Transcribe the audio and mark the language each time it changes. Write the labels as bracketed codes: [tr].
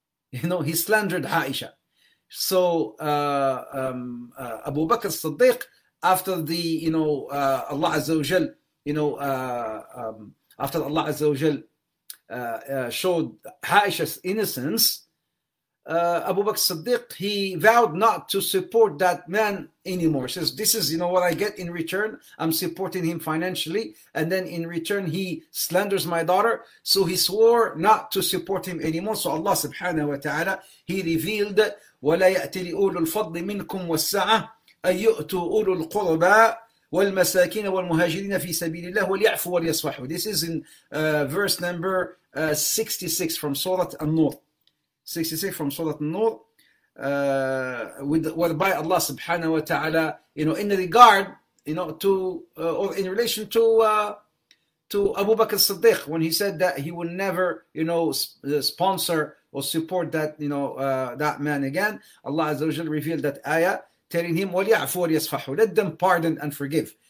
[en] You know, he slandered Aisha. So Abu Bakr Siddiq, after the, you know, Allah Azza wa Jal, you know, after Allah Azza wa Jal showed Aisha's innocence, Abu Bakr Siddiq, he vowed not to support that man anymore. He says, this is, you know, what I get in return. I'm supporting him financially. And then in return, he slanders my daughter. So he swore not to support him anymore. So Allah subhanahu wa ta'ala, he revealed, [ar] وَلَا يَأْتِ لِأُولُ الْفَضْلِ مِنْكُمْ وَالسَّعَةِ أن يؤتوا أولو القربى والمساكين والمهاجرين في سبيل الله وليعفوا وليصفحوا. [en] This is in verse number 66 from Surah An-Nur. 66 from Surah An-Nur. Whereby Allah subhanahu wa ta'ala, you know, in regard, you know, to, or in relation to Abu Bakr Siddiq, when he said that he would never, you know, sponsor or support that, you know, that man again, Allah Azza wa Jalla revealed that ayah, telling him, [ar] وَلْيَعْفُوا وَلْيَصْفَحُوا, [en] let them pardon and forgive.